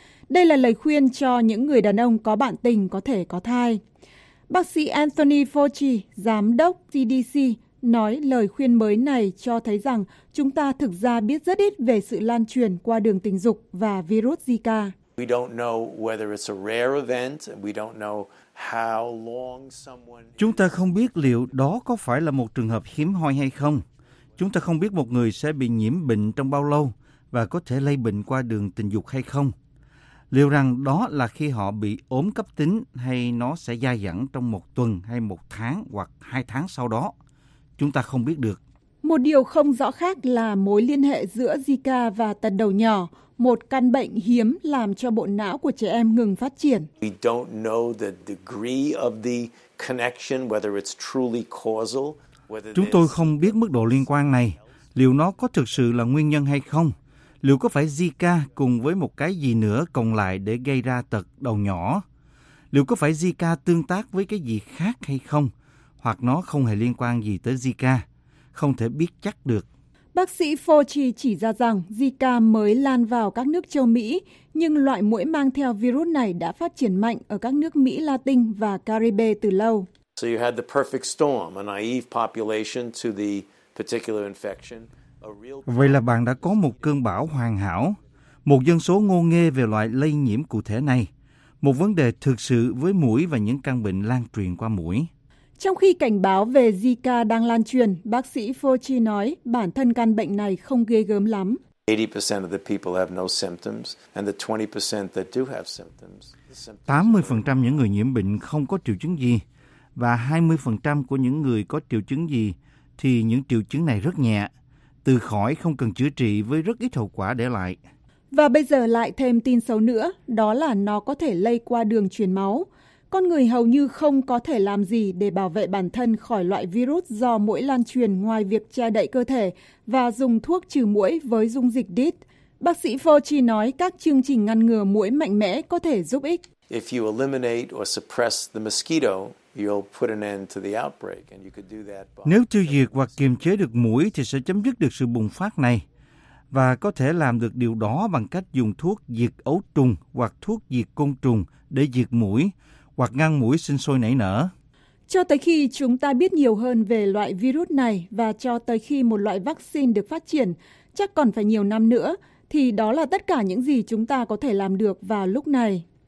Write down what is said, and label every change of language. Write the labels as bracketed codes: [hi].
[vi] Đây là lời khuyên cho những người đàn ông có bạn tình có thể có thai. Bác sĩ Anthony Fauci, giám đốc CDC, nói lời khuyên mới này cho thấy rằng chúng ta thực ra biết rất ít về sự lan truyền qua đường tình dục và virus Zika. [en] We don't know whether it's a rare event, we don't know how long someone. [vi] Chúng ta không biết liệu đó có phải là một trường hợp hiếm hoi hay không. Chúng ta không biết một người sẽ bị nhiễm bệnh trong bao lâu và có thể lây bệnh qua đường tình dục hay không. Liệu rằng đó là khi họ bị ốm cấp tính hay nó sẽ dai dẳng trong một tuần hay một tháng hoặc hai tháng sau đó. Chúng ta không biết được. Một điều không rõ khác là mối liên hệ giữa Zika và tật đầu nhỏ, một căn bệnh hiếm làm cho bộ não của trẻ em ngừng phát triển. [en] We don't know the degree of the connection, whether it's truly causal, whether [vi] chúng tôi không biết mức độ liên quan này, liệu nó có thực sự là nguyên nhân hay không, liệu có phải Zika cùng với một cái gì nữa cộng lại để gây ra tật đầu nhỏ, liệu có phải Zika tương tác với cái gì khác hay không, hoặc nó không hề liên quan gì tới Zika, không thể biết chắc được. Bác sĩ Fauci chỉ ra rằng Zika mới lan vào các nước châu Mỹ, nhưng loại muỗi mang theo virus này đã phát triển mạnh ở các nước Mỹ Latin và Caribe từ lâu. [en] So you had the perfect storm, a naive population to the particular infection. [vi] Vậy là bạn đã có một cơn bão hoàn hảo, một dân số ngô nghê về loại lây nhiễm cụ thể này, một vấn đề thực sự với mũi và những căn bệnh lan truyền qua mũi. Trong khi cảnh báo về Zika đang lan truyền, bác sĩ Fauci nói bản thân căn bệnh này không ghê gớm lắm. [en] 80% of the people have no symptoms and the 20% that do have symptoms. [vi] 80% những người nhiễm bệnh không có triệu chứng gì và 20% của những người có triệu chứng gì thì những triệu chứng này rất nhẹ, từ khỏi không cần chữa trị với rất ít hậu quả để lại. Và bây giờ lại thêm tin xấu nữa, đó là nó có thể lây qua đường truyền máu. Con người hầu như không có thể làm gì để bảo vệ bản thân khỏi loại virus do muỗi lan truyền ngoài việc che đậy cơ thể và dùng thuốc trừ muỗi với dung dịch DEET. Bác sĩ Fauci nói các chương trình ngăn ngừa muỗi mạnh mẽ có thể giúp ích. [en] If you eliminate or suppress the mosquito, you'll put an end to the outbreak and you could do that by... [vi] Nếu tiêu diệt hoặc kiềm chế được muỗi thì sẽ chấm dứt được sự bùng phát này. Và có thể làm được điều đó bằng cách dùng thuốc diệt ấu trùng hoặc thuốc diệt côn trùng để diệt muỗi hoặc ngăn muỗi sinh sôi nảy nở. Cho tới khi chúng ta biết nhiều hơn về loại virus này và cho tới khi một loại vaccine được phát triển, chắc còn phải nhiều năm nữa, thì đó là tất cả những gì chúng ta có thể làm được vào lúc này.